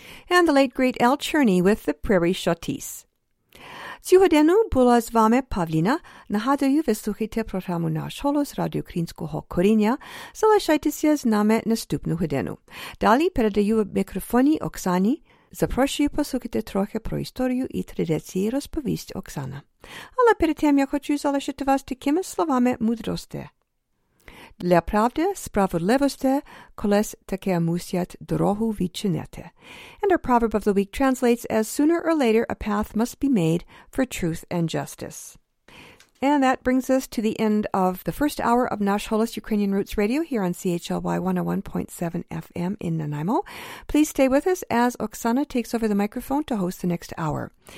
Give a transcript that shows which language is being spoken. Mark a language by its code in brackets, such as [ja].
[en] and the late great Al Cherney with the Prairie Shotis. [uk] Цього дня була з вами Павліна. Нагадую, ви слухаєте програму «Наш голос» Радіо Українського коріння. Залишайтеся з нами наступну годину. Далі передаю мікрофоні Оксані. Запрошую послухати трохи про історію і традиції, розповість Оксана. Але перед тим я хочу залишити вас такими словами мудрості. Для правди, справедливості, колись таке мусять дорогу відчинити. [en] And our proverb of the week translates as sooner or later a path must be made for truth and justice. And that brings us to the end of the first hour of Nash Holos Ukrainian Roots Radio here on CHLY 101.7 FM in Nanaimo. Please stay with us as Oksana takes over the microphone to host the next hour.